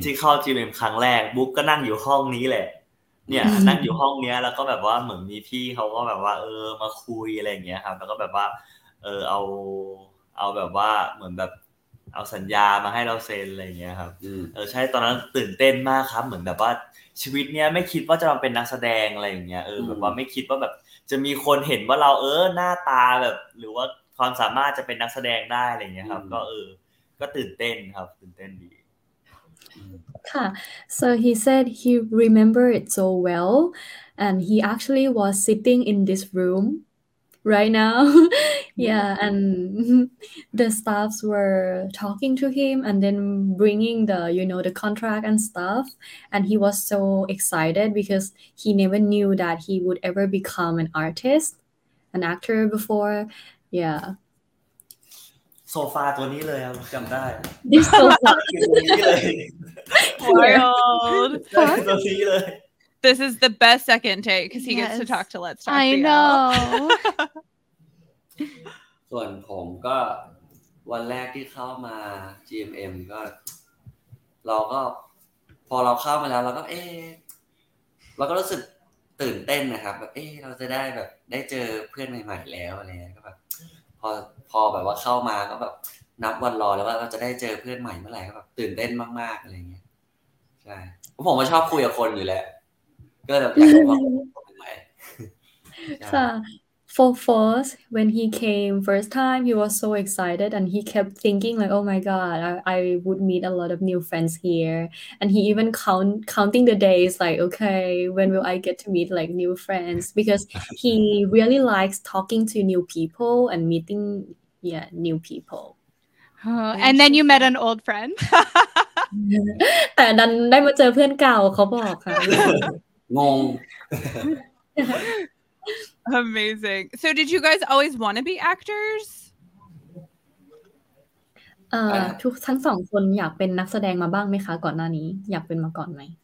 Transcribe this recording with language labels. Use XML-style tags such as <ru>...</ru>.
<th>ที่เข้า GMM ครั้งแรกบุ๊กก็นั่งอยู่ห้องนี้แหละเนี่ยนั่งอยู่ห้องเนี้ยแล้วก็แบบว่าเหมือนมีพี่เขาก็แบบว่าเออมาคุยอะไรอย่างเงี้ยครับแล้วก็แบบว่าเออเอาแบบว่าเหมือนแบบเอาสัญญามาให้เราเซ็นอะไรอย่างเงี้ยครับเออใช่ตอนนั้นตื่นเต้นมากครับเหมือนแบบว่าชีวิตเนี้ยไม่คิดว่าจะมาเป็นนักแสดงอะไรอย่างเงี้ยเออแบบว่าไม่คิดว่าแบบจะมีคนเห็นว่าเราเออหน้าตาแบบหรือว่าความสามารถจะเป็นนักแสดงได้อะไรอย่างเงี้ยครับก็เออก็ตื่นเต้นครับตื่นเต้นดี</th> <en>ค่ะ so he said he remembered it so well and he actually was sitting in this room right now yeah and the staffs were talking to him and then bringing the you know the contract and stuff and he was so excited because he never knew that he would ever become an artist an actor before yeah</en> <th>โซฟาตัวนี้เลยจำได้</th> <en>This sofa</en> <th>ตัวนี้ เลย</th> <en>Wild</en> <th>ตัวนี้เลย</th> <en>This is the best second take because he gets to talk to Let's Talk I know</en> <th>ส่วนผมก็วันแรกที่เข้ามา GMM ก็เราก็พอเราเข้ามาแล้วเราก็รู้สึกตื่นเต้นนะครับแบบเอ๊ะเราจะได้แบบได้เจอเพื่อนใหม่ๆแล้วอะไรก็แบบพอแบบว่าเข้ามาก็แบบนับวันรอแล้วว่าเราจะได้เจอเพื่อนใหม่เมื่อไหร่ก็แบบตื่นเต้นมากๆอะไรเงี้ยใช่ผมก็ชอบคุยกับคนอยู่แล้วก็แบบอยากได้ความรู้ใหม่ค่ะ</th> <en>For first when he came first time he was so excited and he kept thinking like oh my god I would meet a lot of new friends here and he even counting the days like okay when will I get to meet like new friends because he really likes talking to new people and meeting yeah new people oh, and then you met an old friend</en> <th>แต่ดันได้มาเจอเพื่อนเก่าเขาบอกค่ะ งง</th> <en>Amazing. So did you guys always want to be actors?</en> <th>ทุกทั้งสองคนอยากเป็นนักแสดงมาบ้างไหมคะก่อนหน้านี้อยากเป็นมาก่อนไหม</th>